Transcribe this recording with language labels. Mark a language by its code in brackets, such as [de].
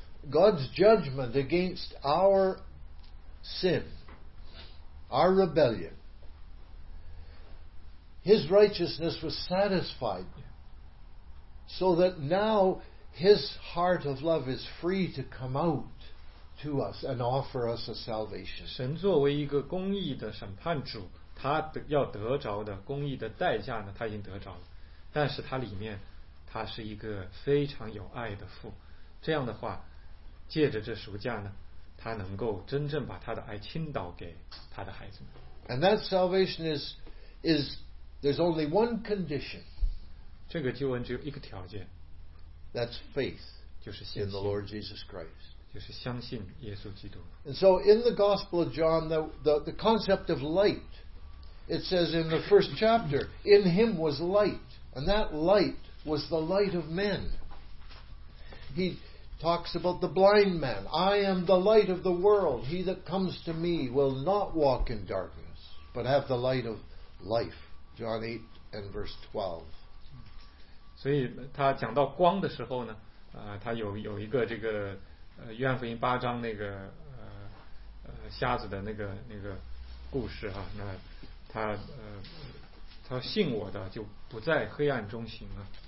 [en] God's judgment against our sin, our rebellion, His righteousness was satisfied so that now His heart of love is free to come out to us and offer us a salvation. [zh] 神作为一个公义的审判主，他要得着的公义的代价呢，他已经得着了，但是他里面，他是一个非常有爱的父。这样的话，借着这赎价呢，他能够真正把他的爱倾倒给他的孩子们。 [en] And that salvation is there's only one condition. [zh] 这个救恩只有一个条件。 [en] That's faith. [zh] 就是相信。 [en] In the Lord Jesus Christ. [zh] 就是相信耶稣基督。 [en] And so in the Gospel of John, the concept of light, it says in the first chapter, in him was light, and that light was the light of men. He talks about the blind man. I am the light of the world. He that comes to me will not walk in darkness, but have the light of life. John 8 and verse 12. [zh] 所以他讲到光的时候呢，他有一个这个约翰福音八章那个瞎子的那个故事啊。那他信我的就不在黑暗中行了。